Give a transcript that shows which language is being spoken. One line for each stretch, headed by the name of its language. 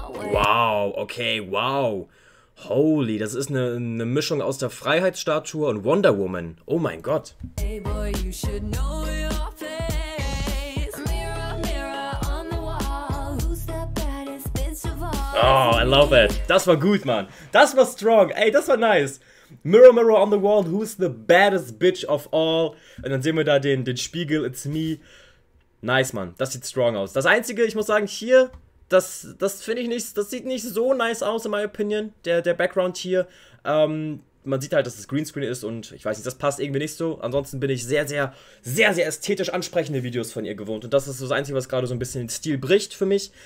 German: Wow, okay, wow. Holy, das ist eine Mischung aus der Freiheitsstatue und Wonder Woman. Oh mein Gott.
English: Hey boy, you should know your face. Mirror, mirror on the wall. Who's the baddest bitch of all?
German: Oh, I love it. Das war gut, Mann. Das war strong. Ey, das war nice.
English: Mirror, mirror on the wall. Who's the baddest bitch of all?
German: Und dann sehen wir da den Spiegel.
English: It's me.
German: Nice, Mann. Das sieht strong aus. Das Einzige, ich muss sagen, hier... Das finde ich nicht, das sieht nicht so nice aus,
English: in my opinion,
German: der Background hier. Man sieht halt, dass es Greenscreen ist und ich weiß nicht, das passt irgendwie nicht so. Ansonsten bin ich sehr, sehr, sehr, sehr ästhetisch ansprechende Videos von ihr gewohnt. Und das ist das Einzige, was gerade so ein bisschen den Stil bricht für mich.